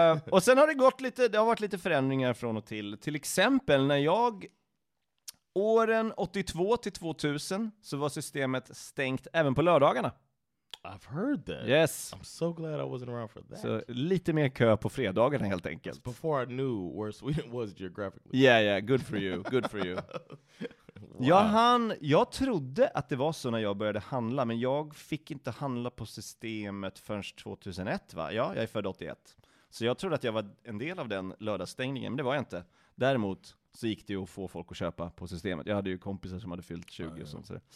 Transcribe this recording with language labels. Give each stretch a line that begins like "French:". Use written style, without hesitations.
Swedish: Och sen har det gått lite, det har varit lite förändringar från och till. Till exempel när jag åren 82 till 2000 så var systemet stängt även på lördagarna.
English: I've heard that. Yes. I'm so glad I wasn't around for that.
Swedish: Så lite mer kö på fredagarna helt enkelt.
English: It's before I knew where Sweden was geographically. Yeah, yeah, good for you. Good for you.
Swedish: Ja, jag trodde att det var så när jag började handla, men jag fick inte handla på systemet förrän 2001, va? Ja, jag är född 81. Så jag trodde att jag var en del av den lördagsstängningen, men det var jag inte. Däremot så gick det ju att få folk att köpa på systemet. Jag hade ju kompisar som hade fyllt 20 och sånt. Så.